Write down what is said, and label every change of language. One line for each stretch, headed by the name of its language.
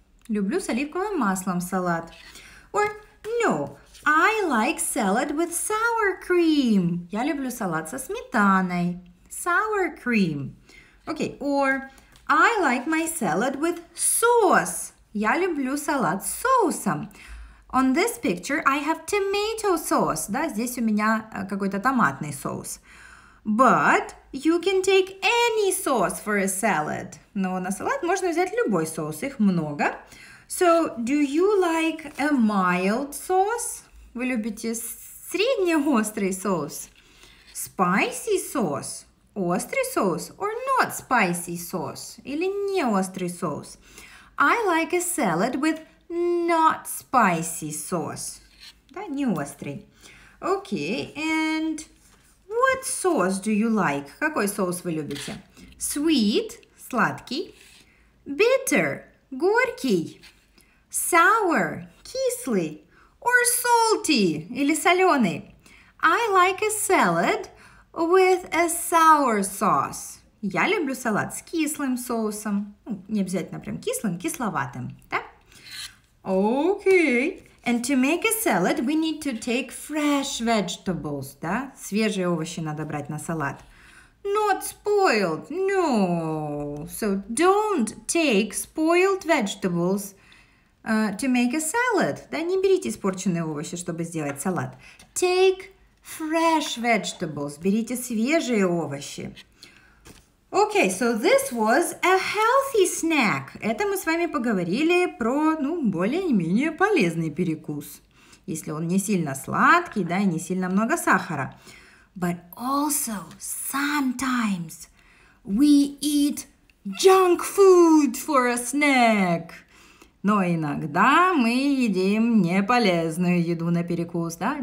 Russian: Люблю с оливковым маслом салат.
English: Or no, I like salad with sour cream.
Russian: Я люблю салат со сметаной.
English: Sour cream. Okay, or I like my salad with sauce.
Russian: Я люблю салат с соусом.
English: On this picture I have tomato sauce.
Russian: Да, здесь у меня какой-то томатный соус.
English: But you can take any sauce for a salad.
Russian: Но на салат можно взять любой соус, их много.
English: So, do you like a mild sauce?
Russian: Вы любите среднеострый соус?
English: Spicy sauce?
Russian: Острый соус?
English: Or not spicy sauce?
Russian: Или неострый соус?
English: I like a salad with not spicy sauce.
Russian: Да, неострый.
English: Okay, and what sauce do you like?
Russian: Какой соус вы любите?
English: Sweet,
Russian: сладкий.
English: Bitter,
Russian: горький.
English: Sour,
Russian: кислый.
English: Or salty,
Russian: или соленый.
English: I like a salad with a sour sauce.
Russian: Я люблю салат с кислым соусом. Не обязательно прям кислым, кисловатым. Да?
English: Okay. And to make a salad, we need to take fresh vegetables,
Russian: да? Свежие овощи надо брать на салат.
English: Not spoiled, no. So don't take spoiled vegetables to make a salad.
Russian: Да, не берите испорченные овощи, чтобы сделать салат.
English: Take fresh vegetables.
Russian: Берите свежие овощи.
English: Okay, so this was a healthy snack.
Russian: Это мы с вами поговорили про, ну, более-менее полезный перекус. Если он не сильно сладкий, да, и не сильно много сахара.
English: But also, sometimes we eat junk food for a snack.
Russian: Но иногда мы едим неполезную еду на перекус, да?